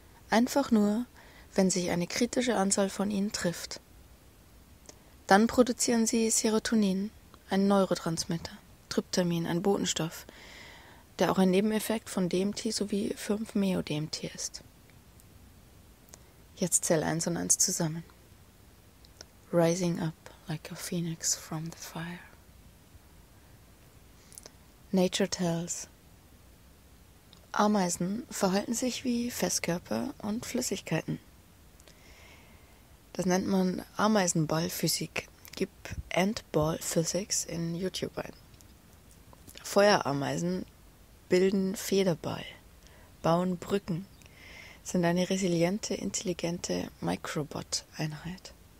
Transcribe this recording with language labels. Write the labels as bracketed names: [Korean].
[German] Einfach nur, wenn sich eine kritische Anzahl von ihnen trifft. Dann produzieren sie Serotonin, einen Neurotransmitter, Tryptamin, ein Botenstoff, der auch ein Nebeneffekt von DMT sowie 5-Meo-DMT ist. Jetzt zähl 1 und 1 zusammen. [English] Rising up like a phoenix from the fire. Nature tells. [German] Ameisen verhalten sich wie Festkörper und Flüssigkeiten. Das nennt man Ameisenballphysik. Gib Ant-Ball Physics in YouTube ein. Feuerameisen bilden Federball, bauen Brücken, sind eine resiliente, intelligente Microbot-Einheit.